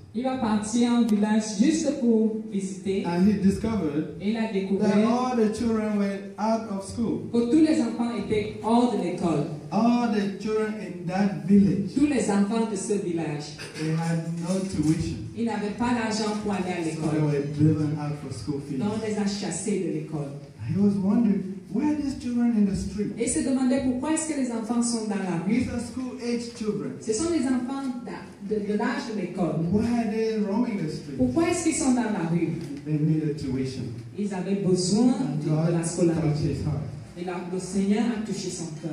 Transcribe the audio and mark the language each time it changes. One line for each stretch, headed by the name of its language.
French: Il va partir en village juste pour visiter.
English: And he discovered
French: il a
English: that all the children were out of school.
French: Pour tous les enfants étaient hors de l'école.
English: All the children in that village.
French: Tous les enfants de ce village.
English: They had no tuition.
French: Ils n'avaient pas l'argent pour aller à l'école.
English: So they were driven out for school fees.
French: Donc on les a chassés de l'école.
English: He was wondering where are these children in the street?
French: Il se demandait pourquoi est-ce que les enfants sont dans la rue.
English: These are school-age children.
French: Ce sont des enfants de l'âge de l'école.
English: Why are they roaming the street?
French: Pourquoi est-ce qu'ils sont dans la rue?
English: They needed tuition.
French: Ils avaient besoin
English: and
French: de la scolarité.
English: Touched his heart.
French: Et le Seigneur a touché son cœur.